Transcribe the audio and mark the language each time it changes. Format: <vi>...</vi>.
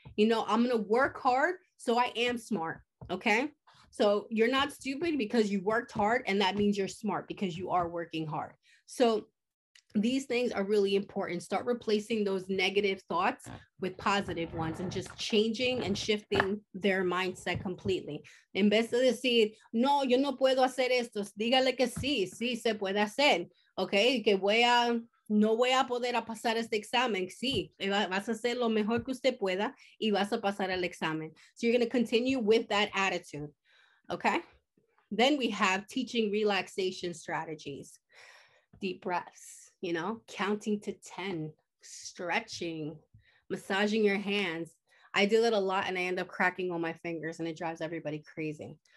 <en>You know, I'm going to work hard, so I am smart, okay? So you're not stupid because you worked hard, and that means you're smart because you are working hard. So these things are really important. Start replacing those negative thoughts with positive ones, and just changing and shifting their mindset completely.</en> <es>En vez de decir, no, yo no puedo hacer esto, dígale que sí, sí se puede hacer. Okay, que no voy a poder a pasar este examen. Sí, vas a hacer lo mejor que usted pueda y vas a pasar el examen.</es> <en>So you're going to continue with that attitude. Okay, then we have teaching relaxation strategies, deep breaths, you know, counting to 10, stretching, massaging your hands. I do that a lot and I end up cracking all my fingers and it drives everybody crazy.</en>